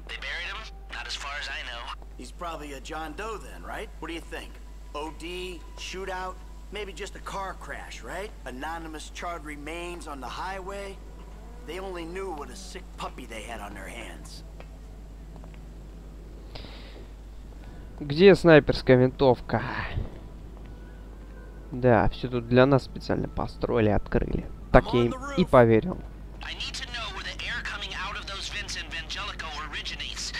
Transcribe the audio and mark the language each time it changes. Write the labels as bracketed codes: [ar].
[en] They buried him? Not as far as I know. He's probably a John Doe then, right? What do you think? OD? Shootout? Maybe just a car crash, right? Anonymous charred remains on the highway? They only knew what a sick puppy they had on their hands. [ru] Где снайперская винтовка? Да, все тут для нас специально построили, открыли. Так я им и поверил. [en] I need to know where the air coming out of those vents in Vangelico originates.